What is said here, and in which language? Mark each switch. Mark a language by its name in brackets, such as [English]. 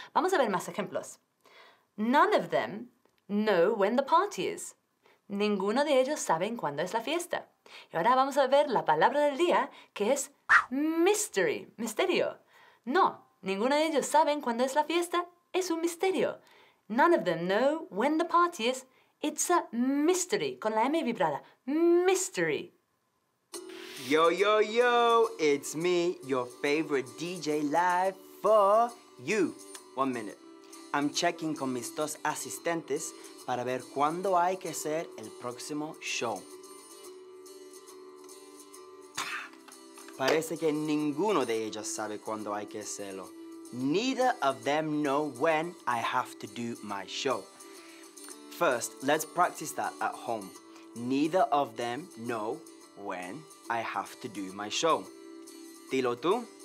[Spanish] Vamos a ver más ejemplos. [English] None of them know when the party is. [Spanish] Ninguno de ellos saben cuándo es la fiesta. Y ahora vamos a ver la palabra del día, que es mystery, misterio. No, ninguno de ellos saben cuándo es la fiesta, es un misterio. [English] None of them know when the party is, it's a mystery, [Spanish] con la M vibrada, [English] mystery. Yo, yo, yo, it's me, your favorite DJ live for you. 1 minute. I'm checking [Spanish] con mis dos asistentes para ver cuándo hay que hacer el próximo show. Parece que ninguno de ellos sabe cuándo hay que hacerlo. [English] Neither of them know when I have to do my show. First, let's practice that at home. Neither of them know when I have to do my show. [Spanish] Dilo tú.